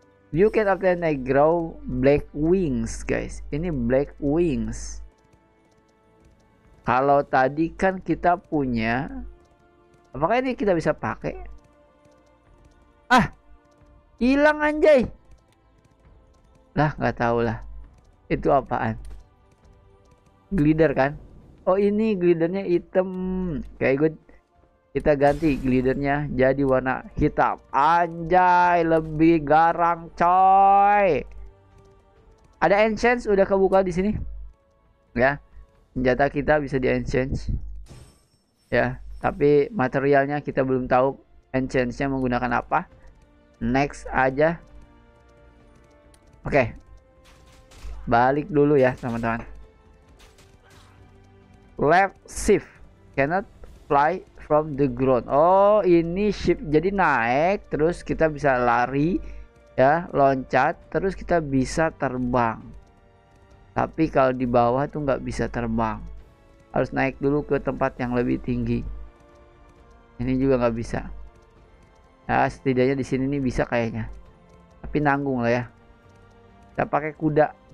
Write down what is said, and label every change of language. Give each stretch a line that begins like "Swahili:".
English: You can obtain Negro Black Wings, guys.
Indonesian: Ini Black Wings. Kalau tadi kan kita punya, apakah ini kita bisa pakai? Ah, hilang anjay. Lah, nggak tahu lah. Itu apaan? Glider kan? Oh, ini glidernya hitam. Kayak good. Kita ganti glidernya jadi warna hitam. Anjay, lebih garang coy. Ada enchant udah kebuka di sini. Ya. Senjata kita bisa di enchant. Ya, tapi materialnya kita belum tahu enchant-nya menggunakan apa. Next aja. Oke. Balik dulu ya, teman-teman.
English: Left shift cannot fly from the ground.
Indonesian: Oh, ini ship jadi naik terus kita bisa lari ya, loncat terus kita bisa terbang. Tapi kalau di bawah tuh nggak bisa terbang. Harus naik dulu ke tempat yang lebih tinggi. Ini juga nggak bisa. Ya, setidaknya di sini nih bisa kayaknya. Tapi nanggung lah ya. Kita pakai kuda.